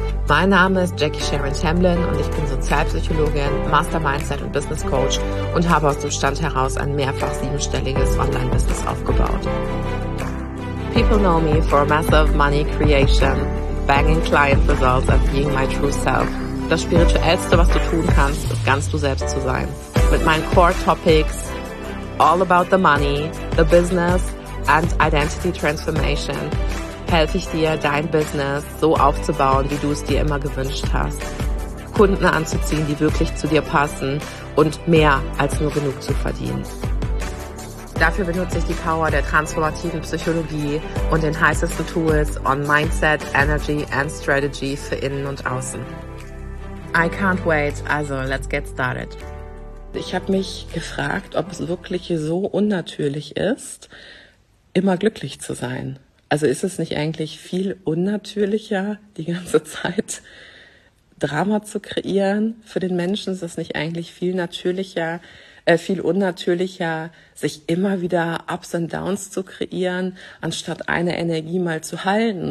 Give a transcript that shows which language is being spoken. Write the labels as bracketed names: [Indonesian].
[German] Mein Name ist Jackie Sharon Tamblyn und ich bin Sozialpsychologin, Master Mindset und Business Coach und habe aus dem Stand heraus ein mehrfach siebenstelliges Online-Business aufgebaut. [English] People know me for massive money creation, banging client results and being my true self. [German] Das Spirituellste, was du tun kannst, ist ganz du selbst zu sein. Mit meinen Core Topics, [English] all about the money, the business and identity transformation, [German] helfe ich dir, dein Business so aufzubauen, wie du es dir immer gewünscht hast. Kunden anzuziehen, die wirklich zu dir passen und mehr als nur genug zu verdienen. Dafür benutze ich die Power der transformativen Psychologie und den heißesten Tools [English] on Mindset, Energy and Strategy [German] für innen und außen. [English] I can't wait, also let's get started. [German] Ich habe mich gefragt, ob es wirklich so unnatürlich ist, immer glücklich zu sein. Also ist es nicht eigentlich viel unnatürlicher, die ganze Zeit Drama zu kreieren? Für den Menschen ist es nicht eigentlich viel unnatürlicher, sich immer wieder Ups und Downs zu kreieren, anstatt eine Energie mal zu halten?